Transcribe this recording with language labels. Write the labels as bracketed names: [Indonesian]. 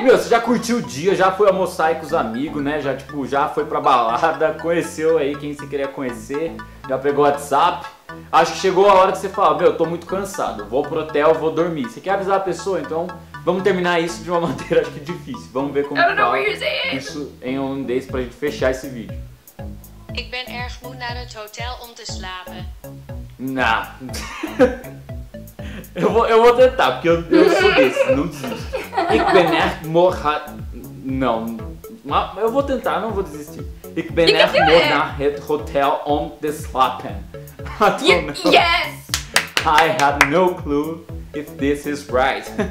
[Portuguese] Meu, você já curtiu o dia, já foi almoçar aí com os amigos, né? Já, tipo, já foi pra balada, conheceu aí quem você queria conhecer, já pegou o WhatsApp. Acho que chegou a hora que você fala, meu, eu tô muito cansado, vou pro hotel, vou dormir. Você quer avisar a pessoa? Então, vamos terminar isso de uma maneira, acho que difícil. Vamos ver como fala isso em holandês pra gente fechar esse vídeo. [Dutch] Ik ben erg moe naar het hotel om te slapen. Nah. [Portuguese] Eu vou tentar, porque eu sou desse, não desisto. [Dutch] Ik ben erg moe naar... [Portuguese] Não. Mas eu vou tentar, não vou desistir. [Dutch] Ik ben erg moe naar het hotel om te slapen. [English] Yes! I have no clue if this is right.